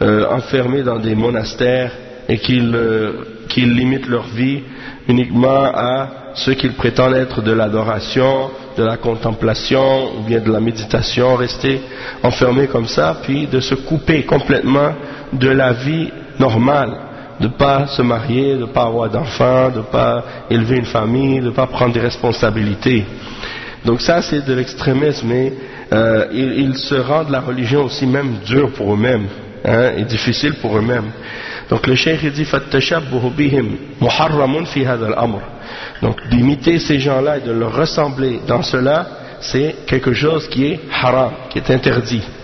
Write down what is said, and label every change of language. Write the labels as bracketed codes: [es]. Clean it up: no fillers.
[fr] enfermées dans des monastères et qu'ils limitent leur vie uniquement à ce qu'ils prétendent être de l'adoration, de la contemplation ou bien de la méditation, rester enfermé comme ça, puis de se couper complètement de la vie normale, de pas se marier, de pas avoir d'enfants, de pas élever une famille, de pas prendre des responsabilités. Donc ça c'est de l'extrémisme, mais ils se rendent la religion aussi même dure pour eux-mêmes, hein, et difficile pour eux-mêmes. Donc le cheikh dit [ar] فَالتَّشَبُّهُ بِهِمْ مُحَرَّمٌ فِي هَذَا الْأَمْرِ. [fr] Donc d'imiter ces gens-là et de leur ressembler dans cela, c'est quelque chose qui est haram, qui est interdit.